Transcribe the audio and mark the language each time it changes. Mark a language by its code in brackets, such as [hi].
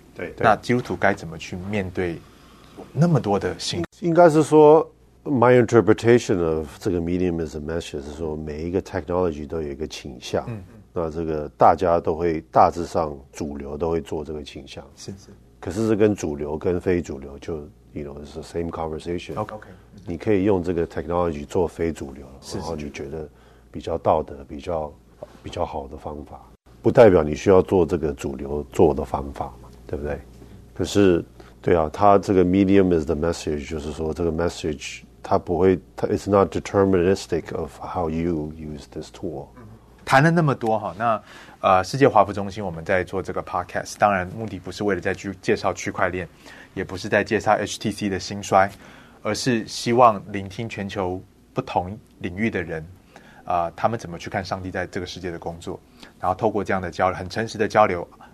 [zh] 对，那基督徒该怎么去面对那么多的信？应该是说 [en] My interpretation of [zh] 这个 medium is a message 是说每一个 technology 都有一个倾向，那这个大家都会大致上主流都会做这个倾向，是。可是这跟主流跟非主流就 [en] you know it's the same conversation。 OK， [zh] 你可以用这个 technology 做非主流，然后你觉得比较道德、比较好的方法，不代表你需要做这个主流做的方法嘛，对不对？可是。对啊，它这个 [en] medium is the message， [zh] 就是说这个 message 它不会，它 [en] it's not deterministic of how you use this tool。 [zh] 谈了那么多哈，那世界华福中心我们在做这个 podcast， 当然目的不是为了再去介绍区块链，也不是在介绍 HTC 的兴衰，而是希望聆听全球不同领域的人，他们怎么去看上帝在这个世界的工作，然后透过这样的交流，很诚实的交流。